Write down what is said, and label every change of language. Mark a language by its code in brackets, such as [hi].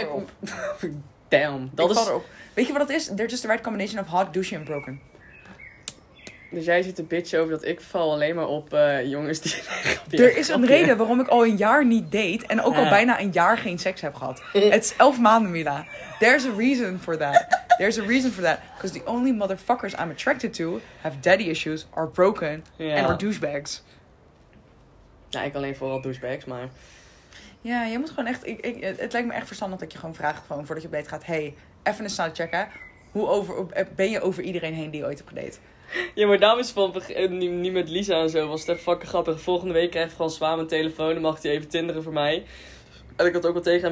[nl] ik val erop. Damn, dat ik is... Erop. Weet je wat dat is? [en] They're just the right combination of hot, douchey en broken. [nl] Dus jij zit een bitch over dat ik val alleen maar op jongens die... Er is een reden waarom ik al een jaar niet date en ook al bijna een jaar geen seks heb gehad. Het is 11 maanden, Mila. [en] There's a reason for that. There's a reason for that. Because the only motherfuckers I'm attracted to have daddy issues, are broken, and are douchebags. [nl] Nou, ik alleen vooral douchebags, maar... Ja, je moet gewoon echt... Het lijkt me echt verstandig dat je gewoon vraagt, gewoon voordat je op date gaat, hey, even een snel checken. Hoe ben je over iedereen heen die je ooit hebt gedate? Ja, maar dames van niet met Lisa en zo, was het echt fucking grappig. Volgende week krijgt François mijn telefoon en mag hij even tinderen voor mij. En ik had ook wel tegen hem